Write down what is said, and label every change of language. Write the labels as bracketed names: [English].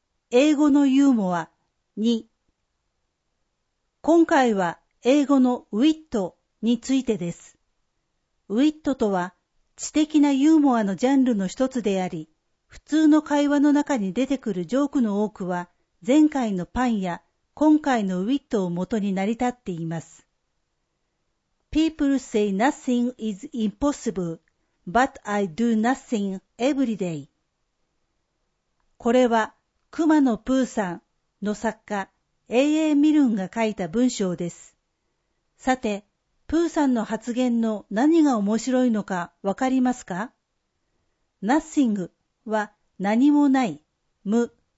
[Japanese] 英語のユーモア2。今回は英語のウィットについてです。ウィットとは知的なユーモアのジャンルの一つであり、普通の会話の中に出てくるジョークの多くは、前回のパンや今回のウィットを元に成り立っています。 [English] People say nothing is impossible, but I do nothing every day. [Japanese] これは熊野プーさんの作家 A.A. ミルンが書いた文章です。さて、プーさんの発言の何が面白いのかわかりますか？ Nothing は何もない、無。